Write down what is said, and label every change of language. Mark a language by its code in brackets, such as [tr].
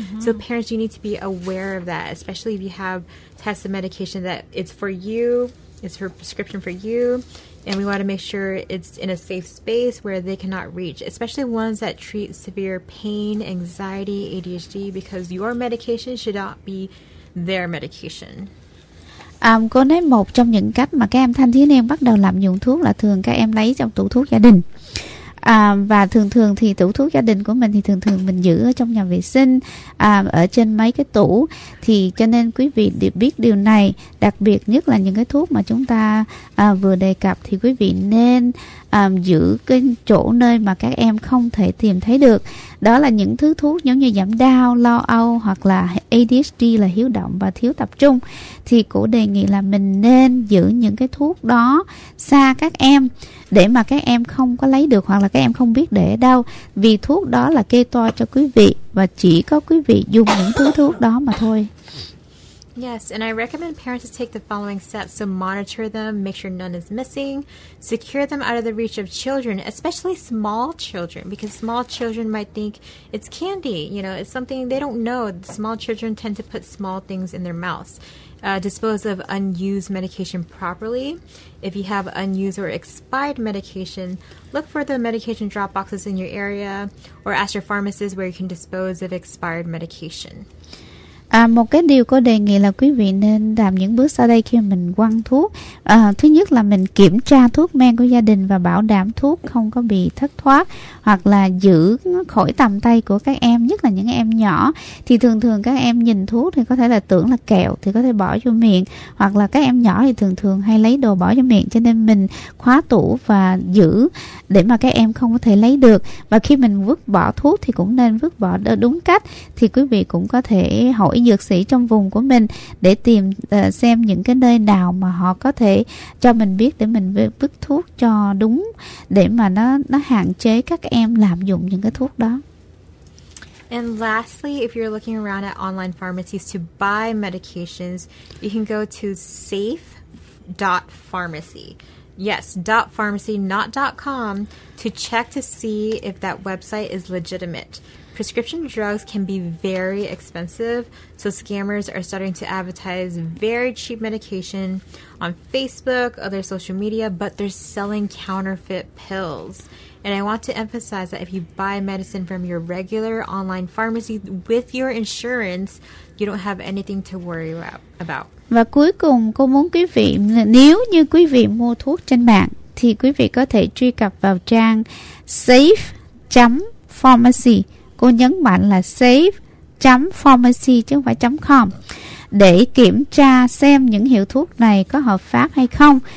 [en] So parents, you need to be aware of that, especially if you have tested medication that it's for you, it's for prescription for you. And we want to make sure it's in a safe space where they cannot reach, especially ones that treat severe pain, anxiety, ADHD, because your medication should not be their medication. [vi] Cô nói một trong những cách mà các em thanh thiếu niên bắt đầu lạm dụng thuốc là thường các em lấy trong tủ thuốc gia đình. Và thường thường thì tủ thuốc gia đình của mình thì thường thường mình giữ ở trong nhà vệ sinh, ở trên mấy cái tủ. Thì cho nên quý vị đều biết điều này, đặc biệt nhất là những cái thuốc mà chúng ta vừa đề cập, thì quý vị nên giữ cái chỗ nơi mà các em không thể tìm thấy được. Đó là những thứ thuốc giống như giảm đau, lo âu, hoặc là ADHD là hiếu động và thiếu tập trung. Thì cô đề nghị là mình nên giữ những cái thuốc đó xa các em, để mà các em không có lấy được hoặc là các em không biết để đâu. Vì thuốc đó là kê toa cho quý vị và chỉ có quý vị dùng những thứ thuốc đó mà thôi. [en] Yes, and I recommend parents to take the following steps. So monitor them, make sure none is missing, secure them out of the reach of children, especially small children, because small children might think it's candy, you know, it's something they don't know. Small children tend to put small things in their mouths. Dispose of unused medication properly. If you have unused or expired medication, look for the medication drop boxes in your area or ask your pharmacist where you can dispose of expired medication. [vi] À, một cái điều cô đề nghị là quý vị nên làm những bước sau đây khi mình quăng thuốc. À, thứ nhất là mình kiểm tra thuốc men của gia đình và bảo đảm thuốc không có bị thất thoát, hoặc là giữ khỏi tầm tay của các em, nhất là những em nhỏ. Thì thường thường các em nhìn thuốc thì có thể là tưởng là kẹo thì có thể bỏ vô miệng, hoặc là các em nhỏ thì thường thường hay lấy đồ bỏ vô miệng, cho nên mình khóa tủ và giữ để mà các em không có thể lấy được. Và khi mình vứt bỏ thuốc thì cũng nên vứt bỏ đúng cách. Thì quý vị cũng có thể hỏi dược sĩ trong vùng của mình để tìm xem những cái nơi nào mà họ có thể cho mình biết để mình vứt thuốc cho đúng, để mà nó hạn chế các em lạm dụng những cái thuốc đó. [en] And lastly, if you're looking around at online pharmacies to buy medications, you can go to safe.pharmacy. Yes, .pharmacy, not .com, to check to see if that website is legitimate. Prescription drugs can be very expensive, so scammers are starting to advertise very cheap medication on Facebook, other social media, but they're selling counterfeit pills. And I want to emphasize that if you buy medicine from your regular online pharmacy with your insurance, you don't have anything to worry about. [vi] Và cuối cùng, cô muốn quý vị, nếu như quý vị mua thuốc trên mạng, thì quý vị có thể truy cập vào trang safe.pharmacy. Cô nhấn mạnh là safe.pharmacy chứ không phải .com, để kiểm tra xem những hiệu thuốc này có hợp pháp hay không.